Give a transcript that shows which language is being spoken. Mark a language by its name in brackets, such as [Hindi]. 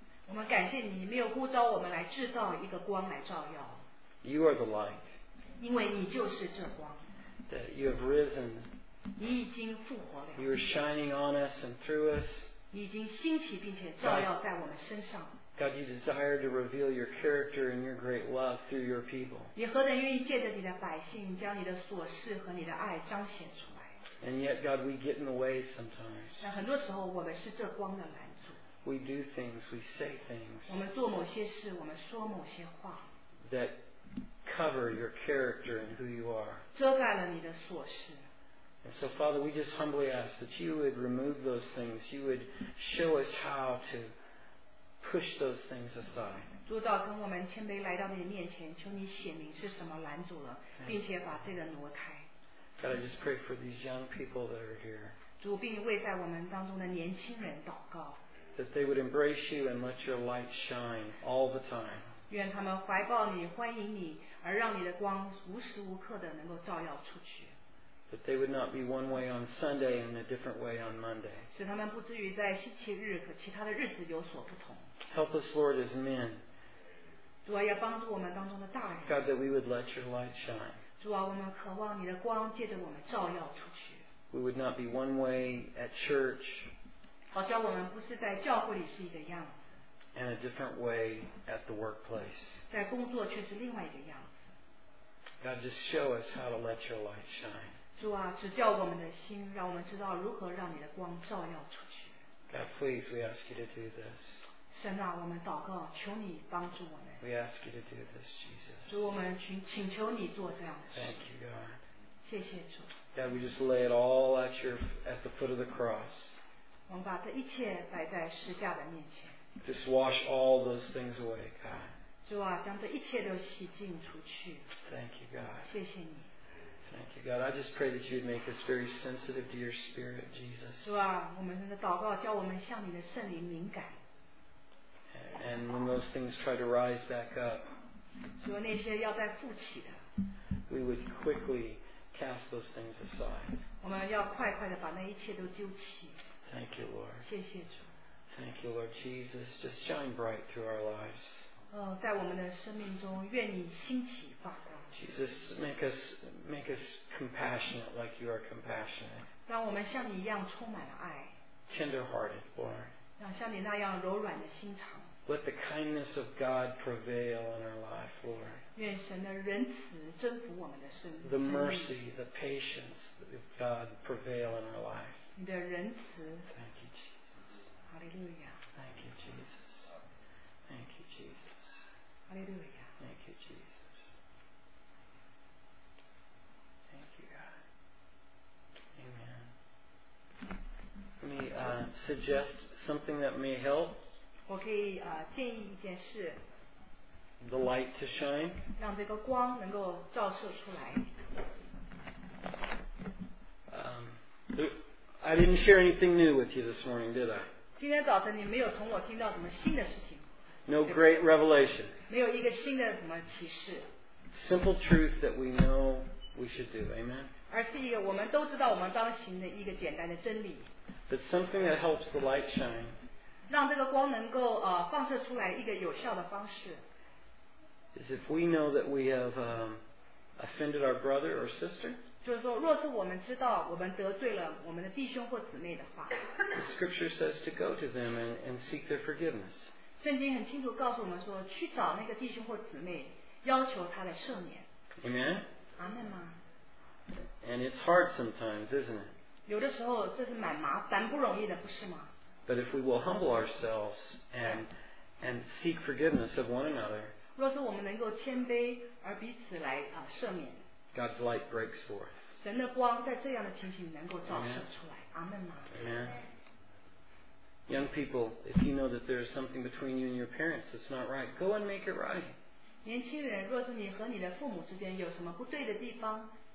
[Chinese] 我们感谢你，你没有呼召我们来制造一个光来照耀。 [English] You are the light. [Chinese] 因为你就是这光。 [English] That you have risen. [Chinese] 你已经复活了。 [English] You are shining on us and through us. [Chinese] 你已经兴起并且照耀在我们身上。 [English] God, you desire to reveal your character and your great love through your people. [Chinese] 你何等愿意借着你的百姓，将你的所事和你的爱彰显出来。 [English] And yet, God, we get in the way sometimes. [Chinese] 那很多时候，我们是这光的拦阻。 [English] We do things, we say things [Chinese] 我们做某些事，我们说某些话 [English] that cover your character and who you are [Chinese] 遮盖了你的所事 [English] And so Father, we just humbly ask that you would remove those things you would show us how to push those things aside [Chinese] 主早晨我们谦卑来到你的面前求你显明是什么拦阻了并且把这个挪开 [English] God, I just pray for these young people that are here [Chinese] 主并为在我们当中的年轻人祷告 [English] That they would embrace you and let your light shine all the time. [Chinese] 愿他们怀抱你，欢迎你，而让你的光无时无刻的能够照耀出去。 [English] That they would not be one way on Sunday and a different way on Monday. [Chinese] 使他们不至于在星期日和其他的日子有所不同。 [English] Help us, Lord, as men. [Chinese] 主啊，要帮助我们当中的大人。 [English] God, that we would let your light shine. [Chinese] 主啊，我们渴望你的光借着我们照耀出去。 [English] We would not be one way at church. [Chinese] 好像我们不是在教会里是一个样子 [English] and a different way at the workplace [Chinese] 在工作却是另外一个样子 [English] God, just show us how to let your light shine [Chinese] 主啊指教我们的心让我们知道如何让你的光照耀出去 [English] God, please, we ask you to do this [Chinese] 神啊我们祷告求你帮助我们 [English] We ask you to do this, Jesus [Chinese] 主我们请求你做这样的事 [English] Thank you, God [Chinese] 谢谢主 [English] God, we just lay it all at, your, at the foot of the cross Just wash all those things away, God. [Chinese] 主啊，将这一切都洗净除去。 [English] Thank you, God. [Chinese] 谢谢你。 [English] Thank you, God. I just pray that you'd make us very sensitive to your Spirit, Jesus. [Chinese] 主啊，我们真的祷告，叫我们向你的圣灵敏感。 [English] And when those things try to rise back up, [Chinese] 主啊，那些要再复起的 [English] we would quickly cast those things aside. [Chinese] 我们要快快的把那一切都丢弃。 [English] Thank you, Lord. [Chinese] 谢谢主。 [English] Thank you, Lord Jesus. Just shine bright through our lives. [Chinese] 在我们的生命中，愿你兴起发光。 [English] Jesus, make us compassionate like you are compassionate. [Chinese] 让我们像你一样充满了爱。 [English] Tender-hearted, Lord. [Chinese] 让像你那样柔软的心肠。 [English] Let the kindness of God prevail in our life, Lord. [Chinese] 愿神的仁慈征服我们的生命。 [English] The mercy, the patience of God prevail in our life. [Chinese] 你的仁慈 [English] Thank you, Jesus. Hallelujah. Thank you, Jesus. Thank you, Jesus. Hallelujah. Thank you, Jesus. Thank you, God. Amen. Let me suggest something that may help. [Chinese] 我可以建议一件事 [English] The light to shine. [Chinese] 让这个光能够照射出来 [English] I didn't share anything new with you this morning, did I? [Chinese] 今天早晨你没有从我听到什么新的事情。 [English] No great revelation. [Chinese] 没有一个新的什么启示。 [English] Simple truth that we know we should do, amen? [Chinese] 而是一个我们都知道我们当行的一个简单的真理。 [English] But something that helps the light shine. [Chinese] 让这个光能够放射出来一个有效的方式。 [English] Is if we know that we have offended our brother or sister. [Chinese] 就是说，若是我们知道我们得罪了我们的弟兄或姊妹的话 [English] ，The Scripture says to go to them and seek their forgiveness. [Chinese] 圣经很清楚告诉我们说，去找那个弟兄或姊妹，要求他的赦免。 [English] Amen. [Chinese] 阿门吗 [English] And it's hard sometimes, isn't it? [Chinese] 有的时候这是蛮麻烦不容易的，不是吗？ [English] But if we will humble ourselves and seek forgiveness of one another, [Chinese] 若是我们能够谦卑而彼此来赦免， [English] God's light breaks forth. [Chinese] 神的光在这样的情形能够照射出来。阿们吗？ [English] Amen. Young people, if you know that there is something between you and your parents that's not right, go and make it right. [Chinese] 年轻人，若是你和你的父母之间有什么不对的地方，